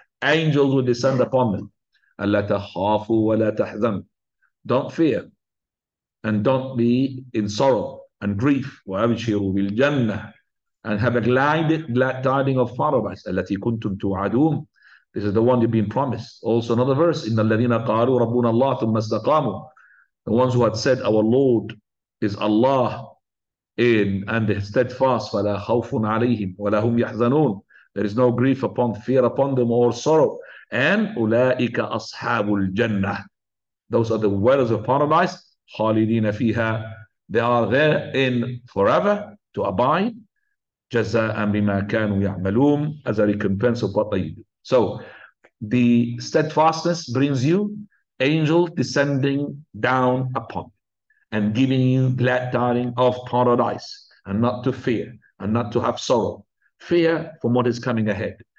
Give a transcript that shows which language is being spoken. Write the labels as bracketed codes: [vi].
[en] Angels will descend upon them. [ar] Alla takhafu wa la tahzan. [en] Don't fear. And don't be in sorrow and grief. [ar] Wa abshiru bil jannah. [en] And have a glad tiding of paradise. [ar] Allati kuntum tu'adun. [en] This is the one you've been promised. Also another verse, [ar] إِنَّ الَّذِينَ قَالُوا رَبُّنَ اللَّهُ ثُمَّ اسْتَقَامُوا. [en] The ones who had said, our Lord is Allah, in and they're steadfast, [ar] فَلَا خَوْفٌ عَلَيْهِمْ وَلَا هُمْ يَحْزَنُونَ. [en] There is no grief upon, fear upon them or sorrow. [ar] And أُولَٰئِكَ أَصْحَابُ الْجَنَّةِ. [en] Those are the dwellers of paradise, [ar] خَالِدِينَ فِيهَا. [en] They are there in forever to abide, [ar] جَزَاءً بِمَا كَانُوا يَعْمَلُونَ, [en] as a recompense of what they do. So the steadfastness brings you angels descending down upon you and giving you glad tidings of paradise, and not to fear and not to have sorrow. Fear from what is coming ahead,